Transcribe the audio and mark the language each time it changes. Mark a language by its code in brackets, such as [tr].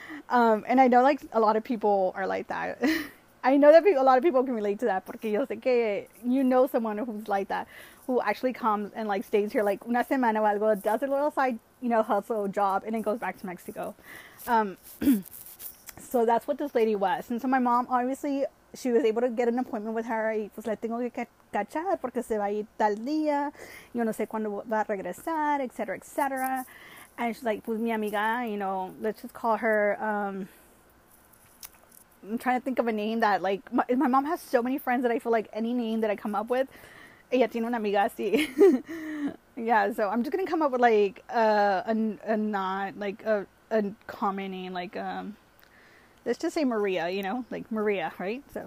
[en] And I know like a lot of people are like that. I know that a lot of people can relate to that [es] porque yo sé que [en] you know someone who's like that, who actually comes and like stays here like [es] una semana o algo, [en] does a little side, you know, hustle job, and then goes back to Mexico. So that's what this lady was. And so my mom, obviously, she was able to get an appointment with her. [es] Y pues le tengo que cachar porque se va a ir tal día. Yo no sé cuándo va a regresar, etc., etc. [en] And she's like, [es] pues mi amiga, [en] you know, let's just call her. I'm trying to think of a name that, like, my mom has so many friends that I feel like any name that I come up with, [es] ella tiene una amiga así. [en] Yeah, so I'm just going to come up with, like, a common name, like, let's just say Maria, you know, like, Maria, right?